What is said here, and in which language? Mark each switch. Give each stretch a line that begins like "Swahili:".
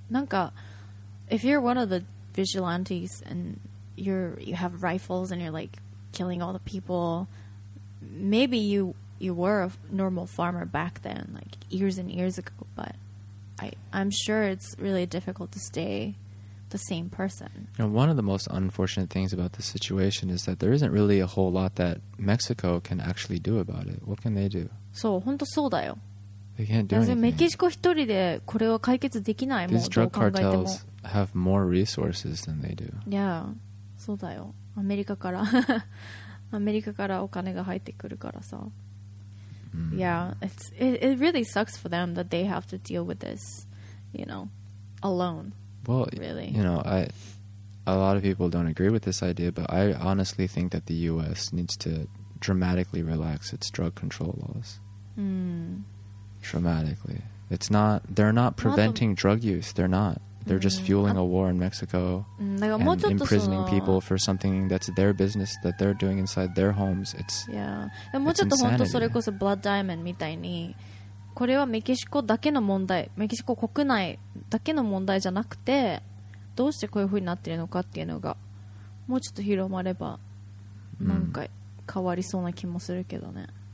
English: Like, if you're one of the vigilantes and you have rifles and you're like killing all the people, maybe you were a normal farmer back then, like years and years ago, but I'm sure it's really difficult to stay the same person. And one of the most unfortunate things about this situation is that there isn't really a whole lot that Mexico can actually do about it. What can they do?
Japanese: So, 本当そうだよ。
English: They can't do anything.
Japanese: メキシコ一人でこれは解決できない。
English: These drug cartels have more resources than they do.
Japanese: Yeah, そうだよ。アメリカから アメリカからお金が入ってくるからさ。 Mm.
English: Yeah, it really sucks for them that they have to deal with this, you know, alone. Well, really. You know, a lot of people don't agree with this idea, but I honestly think that the U.S. needs to dramatically relax its drug control laws. Dramatically. It's not, they're not preventing drug use. They're not. They're just fueling a war in Mexico and imprisoning people for something that's their business that they're doing inside their homes. It's insanity.
Japanese: Yeah. もうちょっと本当それこそ Blood Diamond みたいにこれはメキシコだけの問題、メキシコ国内だけの問題じゃなくてどうしてこういう風になってるのかっていうのがもうちょっと広まればなんか変わりそうな気もするけどね。